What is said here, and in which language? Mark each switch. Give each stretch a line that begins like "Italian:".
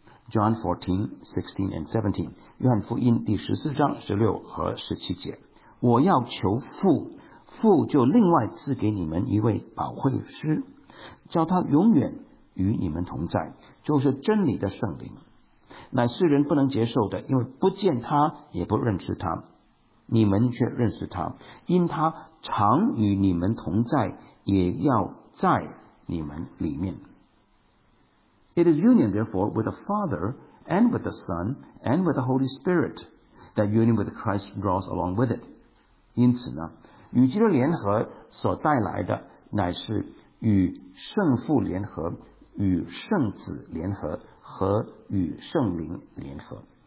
Chinese: John 14:16-17, 约翰福音第14章16和17节, 我要求父，父就另外赐给你们一位保惠师, 叫他永远与你们同在, 就是真理的圣灵, 乃世人不能接受的, 因为不见他也不认识他, 你们却认识他, 因他常与你们同在, 也要在你们里面.
English: It is union, therefore, with the Father and with the Son and with the Holy Spirit. that union with Christ draws along with it.
Chinese: 因此呢，与基督联合所带来的乃是与圣父联合，与圣子联合，和与圣灵联合。